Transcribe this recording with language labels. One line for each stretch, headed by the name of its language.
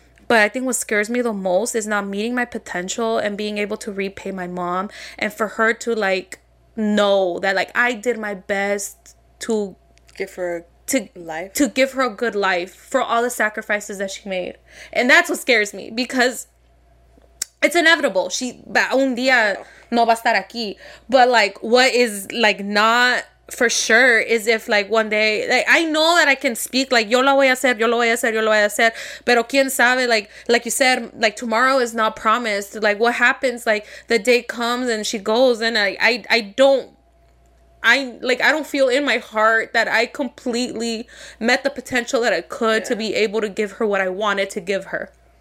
English: But I think what scares me the most is not meeting my potential and being able to repay my mom. And for her to, like, know that, like, I did my best to give her a life. To give her a good life for all the sacrifices that she made. And that's what scares me, because it's inevitable.
Spanish: She, un día, no va a estar aquí.
English: But, like, what is, like, not for sure is if, like, one day, like, I know that I can speak, like,
Spanish: yo lo voy a hacer,
English: yo lo voy a hacer, yo lo voy a hacer.
Spanish: Pero quién sabe,
English: like you said, like, tomorrow is not promised. Like, what happens, like, the day comes and she goes, and I don't feel in my heart that I completely met the potential that I could to be able to give her what I wanted to give her.